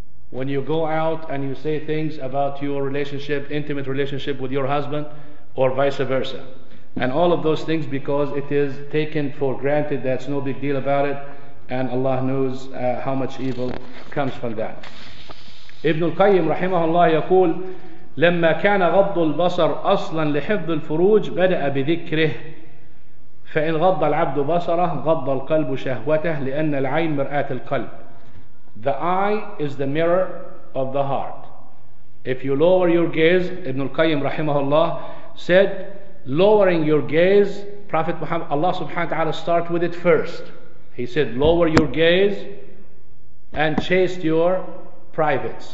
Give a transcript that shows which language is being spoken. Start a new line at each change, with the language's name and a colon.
English: When you go out and you say things about your relationship, intimate relationship with your husband, or vice versa. And all of those things because it is taken for granted, that's no big deal about it, and Allah knows how much evil comes from that.
Arabic: Ibn al-Qayyim rahimahullah yaqul, لما كان غض البصر أصلا لحفظ الفروج بدأ بذكره فإن غض العبد بصره غض القلب شهوته لأن العين مرآة القلب.
English: The eye is the mirror of the heart. If you lower your gaze, Ibn al-Qayyim rahimahullah said, lowering your gaze, Prophet Muhammad, Allah subhanahu wa ta'ala start with it first. He said, lower your gaze and chaste your privates.